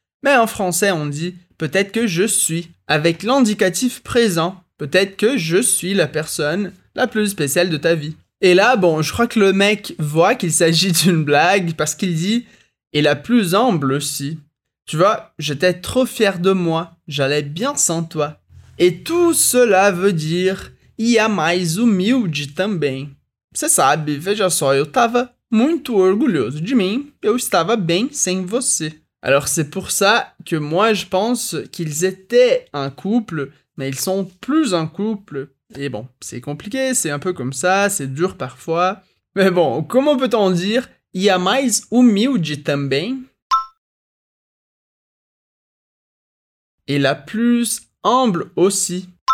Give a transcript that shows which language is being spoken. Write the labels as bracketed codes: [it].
[fr] Mais en français, on dit peut-être que je suis, avec l'indicatif présent. Peut-être que je suis la personne la plus spéciale de ta vie. Et là, bon, je crois que le mec voit qu'il s'agit d'une blague parce qu'il dit « Et la plus humble aussi. » Tu vois, j'étais trop fier de moi. J'allais bien sans toi. Et tout cela veut dire [pt] « E a mais humilde também. » Você sabe, veja só, eu tava muito orgulhoso de mim. Eu estava bem sem você. [fr] Alors, c'est pour ça que moi, je pense qu'ils étaient un couple, mais ils sont plus un couple. Et bon, c'est compliqué, c'est un peu comme ça, c'est dur parfois. Mais bon, comment peut-on dire « [pt] E a mais humilde também [fr] » et la plus humble aussi.